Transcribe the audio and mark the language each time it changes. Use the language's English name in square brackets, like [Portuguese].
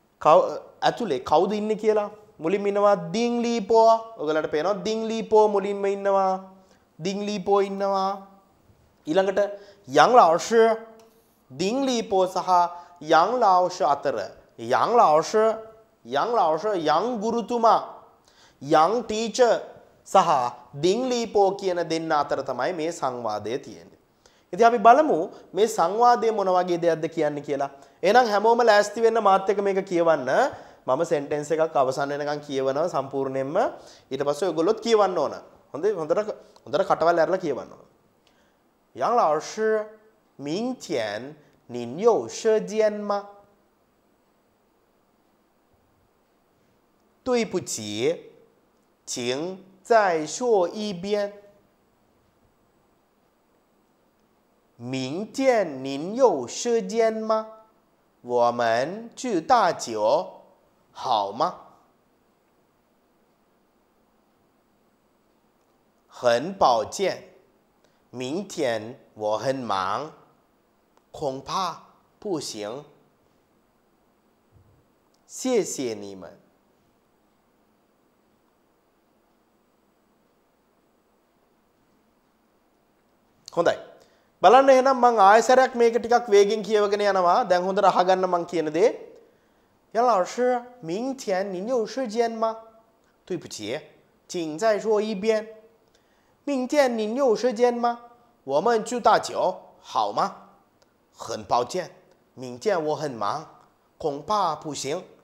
[Sinhala] ඇතුලේ කවුද ඉන්නේ කියලා මුලින්ම ඉන්නවා ඩිං ලීපෝ ඔයගලට පේනවා ඩිං ලීපෝ මුලින්ම ඉන්නවා ඩිං ලීපෝ ඉන්නවාඊළඟට යන් ලාවෂි ඩිං ලීපෝ සහ යන් ලාවෂි අතර යන් ලාවෂි යන් ගුරුතුමා යන් ටීචර් සහ ඩිං ලීපෝ කියන දෙන්න අතර තමයි මේ සංවාදය තියෙන්නේ. ඉතින් අපි බලමු මේ සංවාදය මොන වගේ දෙයක්ද කියන්නේ කියලා. එහෙනම් හැමෝම ලෑස්ති වෙන්න මාත් එක මේක කියවන්න. මම සෙන්ටෙන්ස් එකක් අවසන් වෙනකන් කියවනවා සම්පූර්ණයෙන්ම. ඊට පස්සේ ඔයගොල්ලොත් කියවන්න ඕන. හොඳේ හොඳට කටවල් ඇරලා කියවන්න ඕන. [Chinese] 杨老师，明天您有时间吗？对不起，请再说一遍。明天您有时间吗？我们去大酒，好吗？很抱歉。明天我很忙，恐怕不行。谢谢你们。 [Sinhala] හොඳයි. බලන්න එහෙනම් මං ආයෙසරයක් මේක ටිකක් වේගෙන් කියවගෙන යනවා. දැන් හොඳට අහගන්න මං කියන දේ. [Chinese] යන් ලාවෂි, 明天您有时间吗？对不起，请再说一遍。明天您有时间吗？我们去大酒好吗？很抱歉，明天我很忙，恐怕不行。